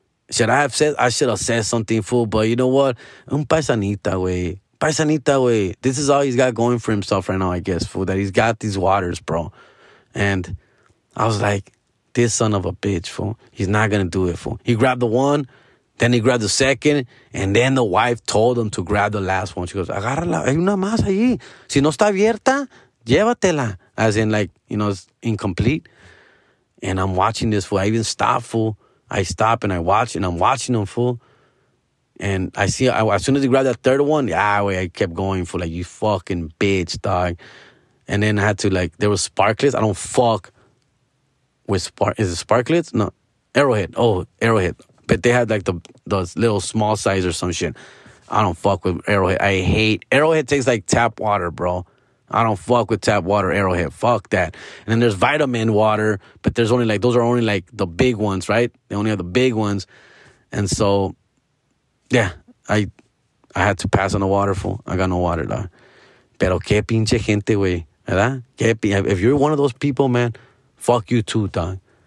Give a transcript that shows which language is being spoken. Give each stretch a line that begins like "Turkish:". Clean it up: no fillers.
English: I should have said something, fool, but you know what?
Spanish: Un paisanita, wey.
English: This is all he's got going for himself right now, I guess, fool, that he's got these waters, bro. And I was like, this son of a bitch, fool. He's not going to do it, fool. He grabbed the one, then he grabbed the second, and then the wife told him to grab the last one.
Spanish: She goes, agárrala, hay una más allí. Si no está abierta, llévatela.
English: As in, like, you know, it's incomplete. And I'm watching this, fool. I even stop, fool. I stop and I watch, and I'm watching him, fool. And I see, as soon as he grabbed that third one, yeah, wait, I kept going, fool. Like, you fucking bitch, dog. And then I had to, like, there was sparklets. I don't fuck with sparklets. Is it sparklets? No. Arrowhead. But they had, like, the little small size or some shit. I don't fuck with Arrowhead. Arrowhead tastes like tap water, bro. I don't fuck with tap water, Arrowhead. Fuck that. And then there's vitamin water, but there's only, like, those are only, like, the big ones, right? They only have the big ones. And so, yeah, I had to pass on the water, fool. I got no water, dog.
Spanish: Pero qué pinche gente, güey, ¿verdad?
English: If you're one of those people, man, fuck you too, dog.